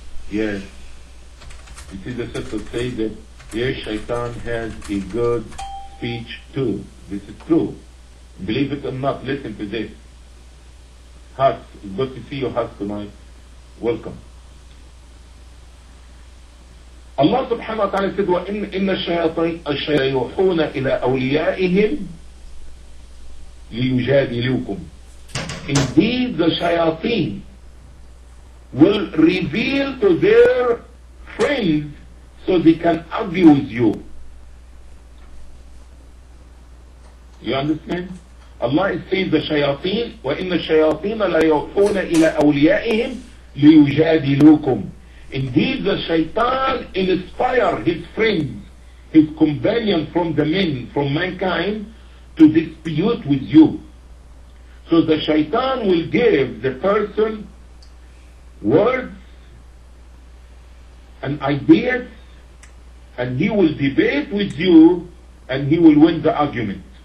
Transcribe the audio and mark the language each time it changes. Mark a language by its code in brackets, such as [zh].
[en] Yes. You see, the sister says that, yes, Shaitan has a good speech too. This is true. Believe it or not, listen to this. Hus, it's good to see you, Hus, tonight. Welcome. Allah subhanahu wa ta'ala said, [ar] وَإِنَّ الشَّيَاطِينَ يُوحُونَ إِلَىٰ أَوْلِيَائِهِمْ لِيُجَادِلُوكُمْ. [en] Indeed, the shayateen will reveal to their friends so they can abuse you. You understand? Allah is saying the shayateen, [ar] وَإِنَّ الشَّيَاطِينَ لَيُوحُونَ إِلَىٰ أَوْلِيَائِهِمْ لِيُجَادِلُوكُمْ. [en] Indeed, the shaitan inspire his friends, his companions from the men, from mankind, to dispute with you. So the shaitan will give the person words and ideas, and he will debate with you, and he will win the argument.